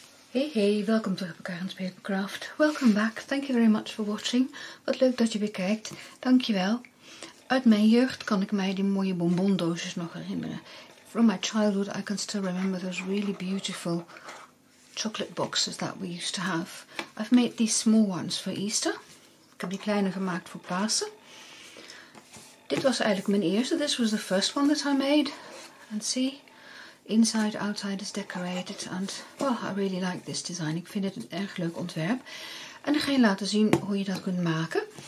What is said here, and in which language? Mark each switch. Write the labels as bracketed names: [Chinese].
[Dutch] Hey hey, welkom terug bij Karen's Papercraft. [English] Welcome back, thank you very much for watching. [Dutch] Wat leuk dat je weer kijkt, dankjewel. Uit mijn jeugd kan ik mij die mooie bonbondoosjes nog herinneren. [English] From my childhood I can still remember those really beautiful chocolate boxes that we used to have. I've made these small ones for Easter. [Dutch] Ik heb die kleine gemaakt voor Pasen. Dit was eigenlijk mijn eerste, [English] this was the first one that I made. And see? Inside, outside is decorated. And well, I really like this design. [Dutch] Ik vind het een erg leuk ontwerp. En dan ga je laten zien hoe je dat kunt maken.